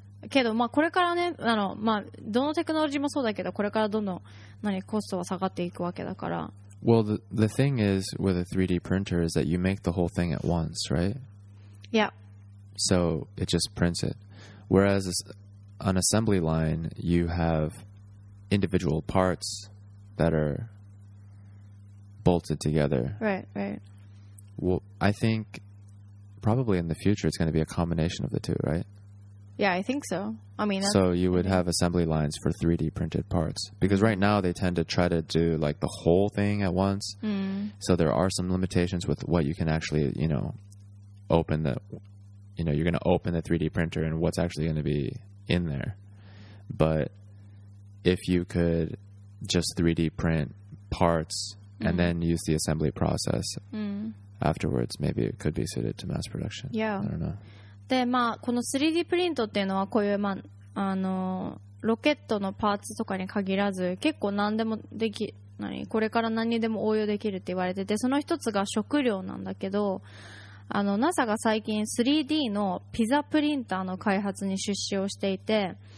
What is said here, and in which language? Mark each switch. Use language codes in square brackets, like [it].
[ja] けど、まあ、これからね、あの、まあ、どのテクノロジーもそうだけど、これからどんどん何コストは下がっていくわけだから。 [en] Well, the thing is with a 3D printer is that you make the whole thing at once, right? Yeah. So it just prints it. Whereas an assembly line, you have individual parts that are bolted together. Right, right. Well, I think probably in the future it's going to be a combination of the two, right? Yeah, I think so. I mean, so you would have assembly lines for 3D printed parts. Because right now they tend to try to do like the whole thing at once. Mm. So there are some limitations with what you can actually, you know, open the, you know, you're going to open the 3D printer and what's actually going to be in there. But if you could just 3D print parts and then use the assembly process afterwards, maybe it could be suited to mass production. Yeah. I don't know. [ja] でまあ、この 3D プリントっていうのはこういう、まあ、あのロケットのパーツとかに限らず結構何でもでき何これから何にでも応用できるって言われてて、その一つが食料なんだけど、あの NASA が最近 3D のピザプリンターの開発に出資をしていて、